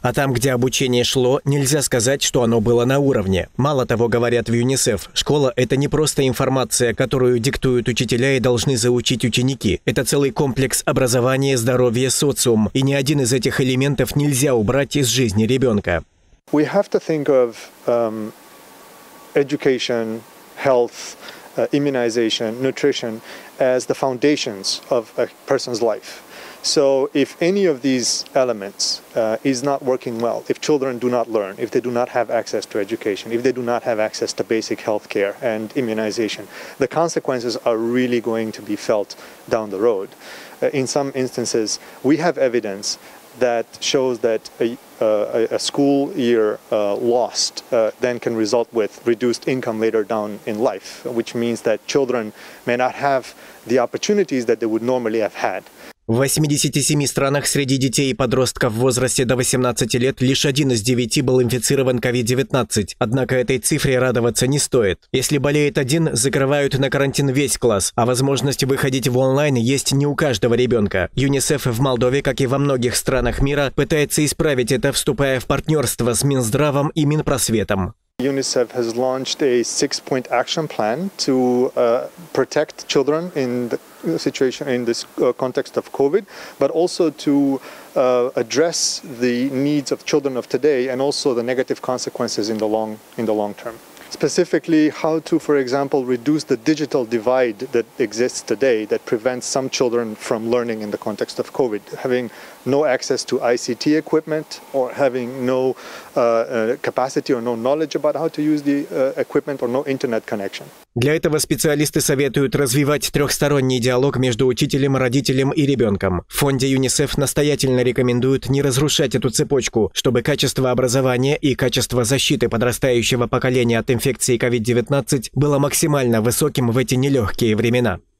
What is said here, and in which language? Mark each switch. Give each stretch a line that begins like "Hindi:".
Russian: А там, где обучение шло, нельзя сказать, что оно было на уровне. Мало того, говорят в ЮНИСЕФ, школа – это не просто информация, которую диктуют учителя и должны заучить ученики. Это целый комплекс образования, здоровья, социум. И ни один из этих элементов нельзя убрать из жизни ребенка.
English: We have to think of education, health, immunization, nutrition as the foundations of a person's life. So if any of these elements is not working well, if children do not learn, if they do not have access to education, if they do not have access to basic health care and immunization, the consequences are really going to be felt down the road. In some instances, we have evidence that shows that a school year lost then can result with reduced income later down in life, which means that children may not have the opportunities that they would normally have had.
Russian: В 87 странах среди детей и подростков в возрасте до 18 лет лишь один из 9 был инфицирован COVID-19. Однако этой цифре радоваться не стоит. Если болеет один, закрывают на карантин весь класс, а возможность выходить в онлайн есть не у каждого ребенка. ЮНИСЕФ в Молдове, как и во многих странах мира, пытается исправить это, вступая в партнерство с Минздравом и Минпросветом.
English: UNICEF has launched a 6-point action plan to protect children in the situation in this context of COVID, but also to address the needs of children of today and also the negative consequences in the long term. Specifically, how to, for example, reduce the digital divide that exists today that prevents some children from learning in the context of COVID, having no access to ICT equipment or having no capacity or no knowledge about how to use the equipment or no internet connection.
Russian: Для этого специалисты советуют развивать трехсторонний диалог между учителем, родителем и ребенком. В фонде ЮНИСЕФ настоятельно рекомендуют не разрушать эту цепочку, чтобы качество образования и качество защиты подрастающего поколения от инфекции COVID-19 было максимально высоким в эти нелегкие времена.